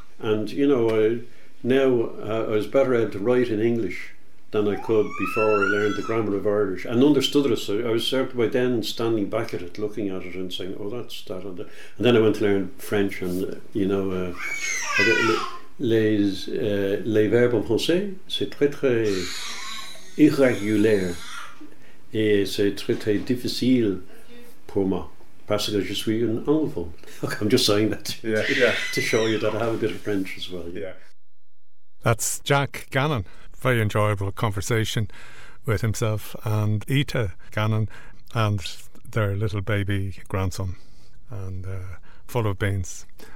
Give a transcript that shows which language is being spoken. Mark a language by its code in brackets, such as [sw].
[en] And, you know, I was better able to write in English than I could before I learned the grammar of Irish and understood it. So I was certainly by then standing back at it, looking at it and saying, oh, that's that. And then I went to learn French and, you know, [fr] les verbes en français, c'est très, très irrégulier et c'est très, très difficile pour moi. Parce que je suis un anglophone. [en] Okay, I'm just saying that to show you that I have a bit of French as well. That's Jack Gannon. Very enjoyable conversation with himself and Ita Gannon and their little baby grandson, and full of beans.